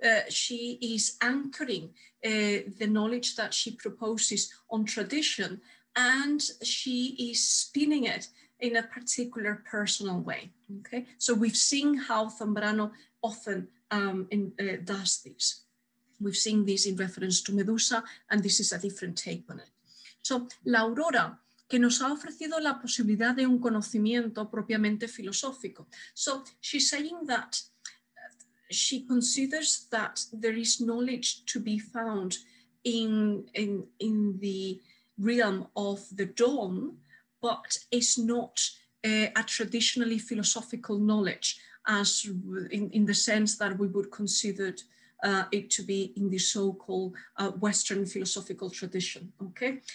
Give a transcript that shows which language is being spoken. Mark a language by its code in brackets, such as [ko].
[en] She is anchoring the knowledge that she proposes on tradition, and she is spinning it in a particular personal way. Okay, so we've seen how Zambrano often does this. We've seen this in reference to Medusa, and this is a different take on it. [es] So, la aurora que nos ha ofrecido la posibilidad de un conocimiento propiamente filosófico. [en] So, she's saying that she considers that there is knowledge to be found in the realm of the dawn, but it's not a traditionally philosophical knowledge, as in the sense that we would consider it to be in the so-called Western philosophical tradition, okay?